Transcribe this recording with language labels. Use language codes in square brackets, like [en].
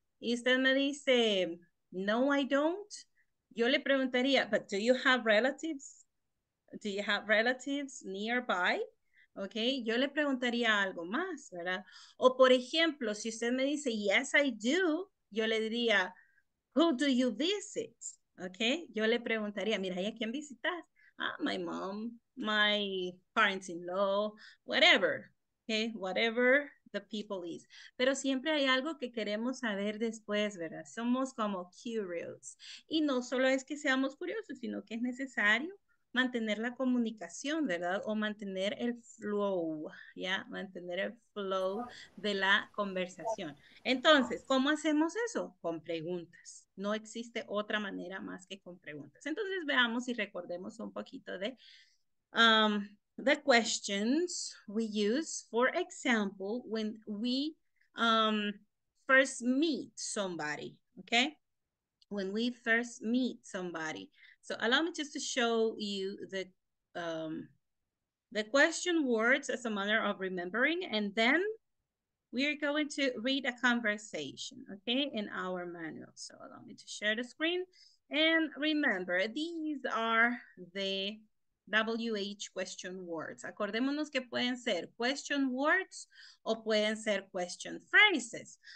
[es] Y usted me dice, no, [en] I don't. [es] Yo le preguntaría, [en] but do you have relatives? Do you have relatives nearby? [es] Ok, yo le preguntaría algo más, ¿verdad? O por ejemplo, si usted me dice, [en] yes, I do, [es] yo le diría, [en] who do you visit? [es] Ok, yo le preguntaría, mira, ¿y a quién visitas? [en] Ah, my mom, my parents-in-law, whatever, ok, whatever the people is. [es] Pero siempre hay algo que queremos saber después, ¿verdad? Somos como curious. Y no solo es que seamos curiosos, sino que es necesario mantener la comunicación, ¿verdad? O mantener el flow, ¿ya? Mantener el flow de la conversación. Entonces, ¿cómo hacemos eso? Con preguntas. No existe otra manera más que con preguntas. Entonces, veamos y recordemos un poquito de [en] the questions we use, for example, when we first meet somebody, okay? When we first meet somebody. So allow me just to show you the question words as a manner of remembering, and then we are going to read a conversation, okay, in our manual. So allow me to share the screen. And remember, these are the WH question words. [es] Acordémonos que pueden ser question words o pueden ser question phrases.